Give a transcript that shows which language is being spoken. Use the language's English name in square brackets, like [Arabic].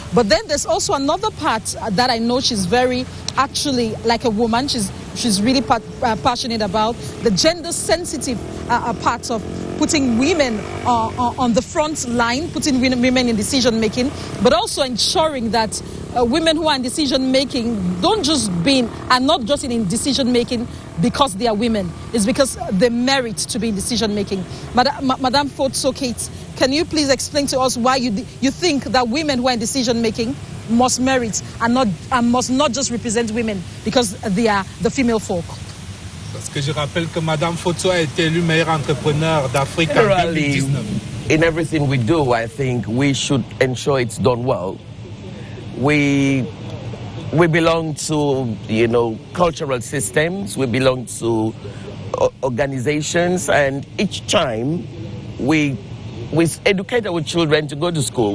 [English] But then there's also another part that I know she's very, actually, like a woman, she's really passionate about, the gender sensitive part of putting women on the front line, putting women in decision making, but also ensuring that women who are in decision making are not just in decision making because they are women. It's because they merit to be in decision making. Madame Fotso Kate, can you please explain to us why you think that women who are in decision making must merit and must not just represent women because they are the female folk? [French] Parce que je rappelle que Madame Fotso a été élue meilleure entrepreneur d'Afrique en 2019. [English] In everything we do, I think we should ensure it's done well. We belong to, you know, cultural systems, we belong to organizations, and each time we educate our children to go to school.